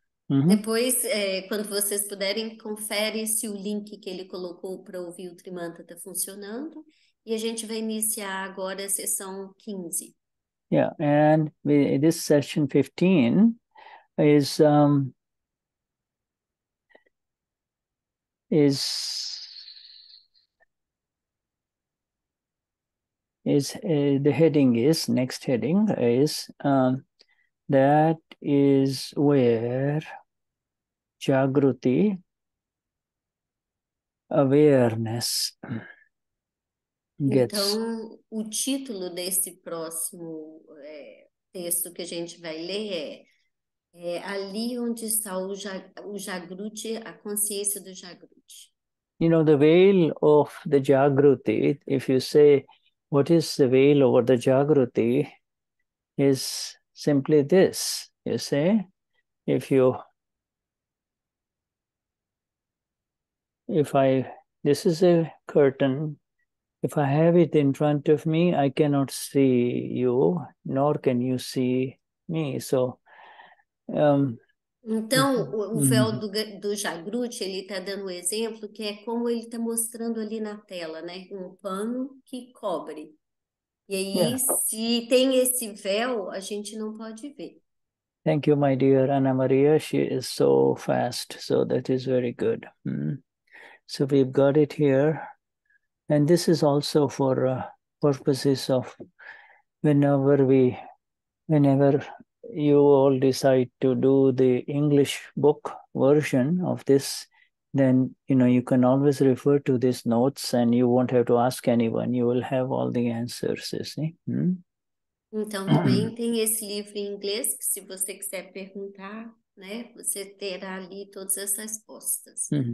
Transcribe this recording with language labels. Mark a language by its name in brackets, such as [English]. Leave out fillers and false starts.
[Portuguese] Depois, quando vocês puderem, confere se o link que ele colocou para ouvir o Trimantra está funcionando. E a gente vai iniciar agora a sessão 15. [English] Yeah, and this session 15 is the heading is, next heading is, that is where Jagruti Awareness gets. [Portuguese] Então, o título desse próximo texto que a gente vai ler é ali onde está o Jagruti, a consciência do Jagruti. [English] You know, the veil of the Jagruti, if you say, what is the veil over the Jagruti, is simply this, you say, this is a curtain. If I have it in front of me, I cannot see you, nor can you see me. So, [Portuguese] então, o véu do Jagruti, ele está dando um exemplo que é como ele está mostrando ali na tela, né? Um pano que cobre. E aí, se tem esse véu, a gente não pode ver. [English] Thank you, my dear Ana Maria. She is so fast. So, that is very good. So, we've got it here. And this is also for purposes of whenever you all decide to do the English book version of this, then, you know, you can always refer to these notes and you won't have to ask anyone. You will have all the answers, you see. [Portuguese] Então, também tem esse livro em inglês, que se você quiser perguntar, né, você terá ali todas as respostas.